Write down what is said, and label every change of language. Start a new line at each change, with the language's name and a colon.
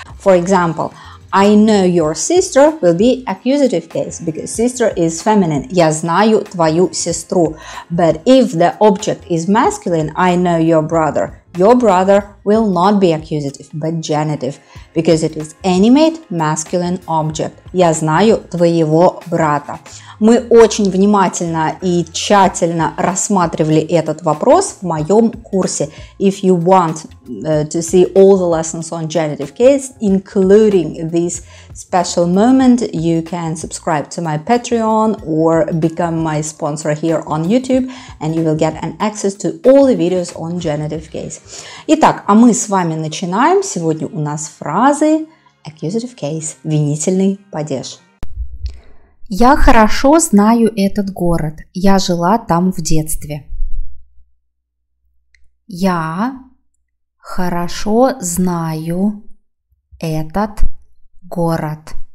English: For example, I know your sister will be accusative case because sister is feminine.
Russian: Я знаю твою сестру.
English: But if the object is masculine, I know your brother will not be accusative, but genitive because it is animate masculine object.
Russian: Я знаю твоего брата. Мы очень внимательно и тщательно рассматривали этот вопрос в моем курсе.
English: If you want to see all the lessons on genitive case, including this special moment, you can subscribe to my Patreon or become my sponsor here on YouTube, and you will get an access to all the videos on genitive case.
Russian: Итак, а мы с вами начинаем. Сегодня у нас фразы accusative case, винительный падеж. Я хорошо знаю этот город. Я жила там в детстве. Я хорошо знаю этот город.